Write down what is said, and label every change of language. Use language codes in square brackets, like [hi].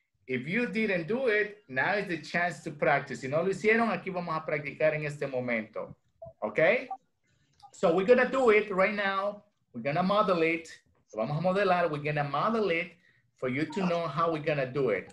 [en] If you didn't do it, now is the chance to practice. [es] Si no lo hicieron, aquí vamos a practicar en este momento. [en] Okay? So we're gonna do it right now. We're gonna model it. [es] Vamos a modelar, [en] we're gonna model it for you to know how we're gonna do it.